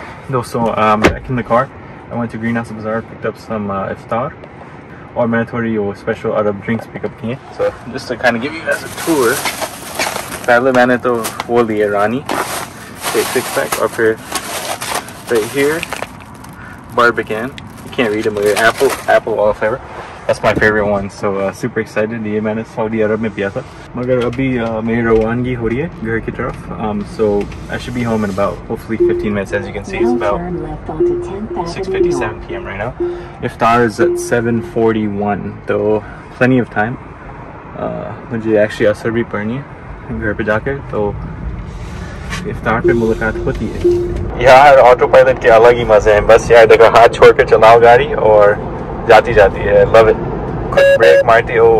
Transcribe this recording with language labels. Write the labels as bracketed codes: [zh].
[en] दोस्तों, back in the car, I went to Greenhouse Bazaar, picked up some iftar, [hi] और मैंने थोड़ी वो [en] special Arab drinks pick up [hi] किए. [en] So just to kind of give you guys a tour, [hi] पहले मैंने तो वो लिए रानी [en] six pack, or for right here, barbican. You can't read them, but apple wallflower. That's my favorite one. So super excited. [hi] ये मैंने Saudi अरब में पिया था. मगर अभी मेरी रवानगी हो रही है घर की तरफ. [en] So I should be home in about hopefully 15 minutes. As you can see, it's about 6:57 p.m. right now. Iftar is at 7:41. So plenty of time. [hi] मुझे actually असर भी पड़नी है घर पे जाकर. तो इफ्तार पे मुलाकात होती है यार. ऑटो पायलट के अलग ही मजे हैं. बस यार देखो, हाथ छोड़ के चलाओ गाड़ी और जाती जाती है. [en] Love it. [hi] क्विक ब्रेक मारती हो.